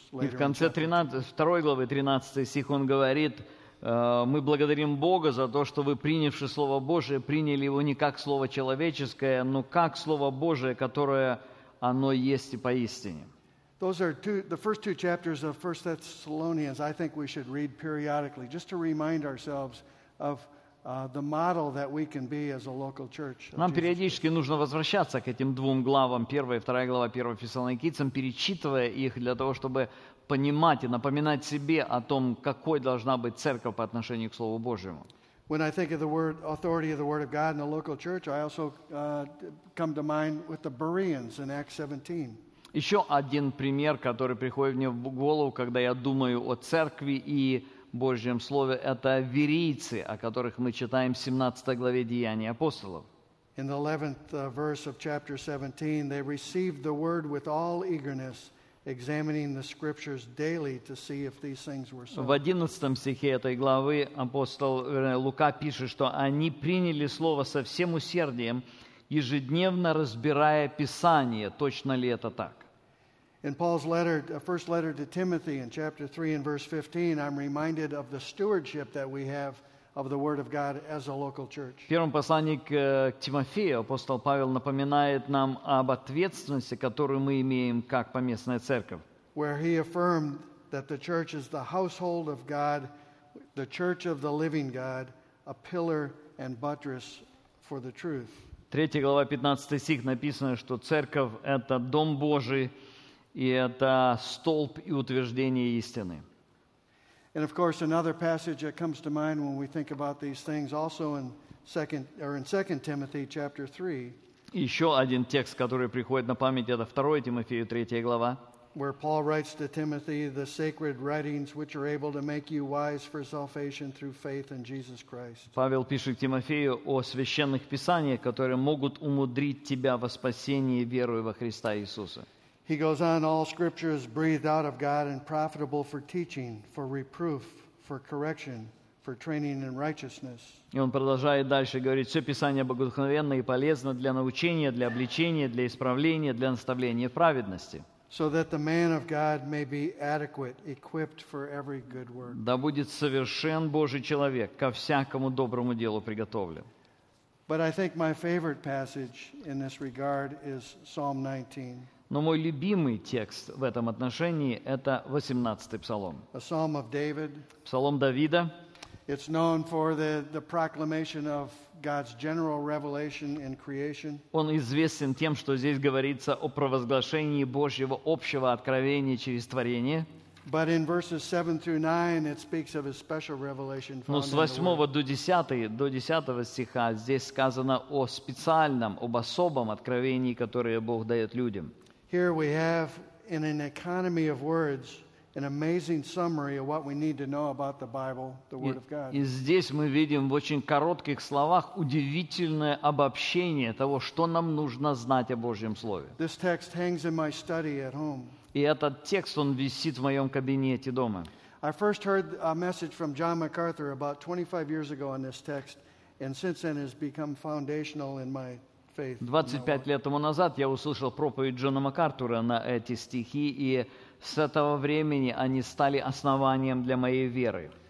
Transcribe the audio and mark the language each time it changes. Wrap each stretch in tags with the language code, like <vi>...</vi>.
<ru>Later, в конце 2 главы 13 стих он говорит: «Мы благодарим Бога за то, что вы, принявши Слово Божие, приняли его не как Слово человеческое, но как Слово Божие, которое оно есть и поистине».</ru> <en>Those are the first two chapters of 1 Thessalonians I think we should read periodically just to remind ourselves of the model that we can be as a local church.</en> <ru>Нам периодически нужно возвращаться к этим двум главам, 1 и 2 глава 1 Фессалоникийцам, перечитывая их для того, чтобы понимать и напоминать себе о том, какой должна быть церковь по отношению к Слову Божьему.</ru> <en>When I think of the word authority of the Word of God in the local church, I also come to mind with the Bereans in Acts 17.</en> <ru>Еще один пример, который приходит мне в голову, когда я думаю о церкви и Божьем Слове, это верийцы, о которых мы читаем в 17 главе Деяний апостолов.</ru> <en>In the 11th verse of chapter 17, they received the word with all eagerness, examining the scriptures daily to see if these things were so.</en> <ru>В 11 стихе этой главы апостол Лука пишет, что они приняли слово со всем усердием, ежедневно разбирая Писание, точно ли это так.</ru> <en>In Paul's letter, the first letter to Timothy in chapter 3 and verse 15, I'm reminded of the stewardship that we have of the Word of God as a local church.</en> <ru>В первом послании к Тимофею апостол Павел напоминает нам об ответственности, которую мы имеем как поместная церковь.</ru> <en>Where he affirmed that the church is the household of God, the church of the living God, a pillar and buttress for the truth.</en> <ru>3 глава 15 стих написано, что церковь – это дом Божий, и это столб и утверждение истины.</ru> <en>And of course, another passage that comes to mind when we think about these things also in 2 Timothy chapter 3.</en> <ru>Еще один текст, который приходит на память, это 2 Тимофею, 3 глава.</ru> <en>Where Paul writes to Timothy, "The sacred writings which are able to make you wise for salvation through faith in Jesus Christ."</en> <ru>Павел пишет Тимофею о священных писаниях, которые могут умудрить тебя во спасении верою во Христа Иисуса.</ru> <en>He goes on, "All scripture is breathed out of God and profitable for teaching, for reproof, for correction, for training in righteousness."</en> <ru>И он продолжает дальше говорить: «Все Писание богодухновенно и полезно для научения, для обличения, для исправления, для наставления в праведности».</ru> <en>So that the man of God may be adequate, equipped for every good work.</en> <ru>Да будет совершен Божий человек, ко всякому доброму делу приготовлен.</ru> <en>But I think my favorite passage in this regard is Psalm 19.</en> <ru>Но мой любимый текст в этом отношении – это 18-й Псалом.</ru> <en>A Psalm of David.</en> <ru>Псалом Давида.</ru> <en>It's known for the proclamation of God's general revelation in creation.</en> <ru>Он известен тем, что здесь говорится о провозглашении Божьего общего откровения через творение.</ru> <en>But in verses 7 through 9, it speaks of a special revelation found in the Word.</en> <ru>Но с 8 до 10 стиха здесь сказано о специальном, об особом откровении, которое Бог дает людям.</ru> <en>Here we have, in an economy of words, an amazing summary of what we need to know about the Bible, the Word of God.</en> <ru>И здесь мы видим в очень коротких словах удивительное обобщение того, что нам нужно знать о Божьем Слове.</ru> <en>This text hangs in my study at home.</en> <ru>И этот текст, он висит в моем кабинете дома.</ru> <en>I first heard a message from John MacArthur about 25 years ago on this text, and since then has become foundational in my</en> <ru>25 лет тому назад я услышал проповедь Джона МакАртура на эти стихи, и с этого времени они стали основанием для моей веры.</ru>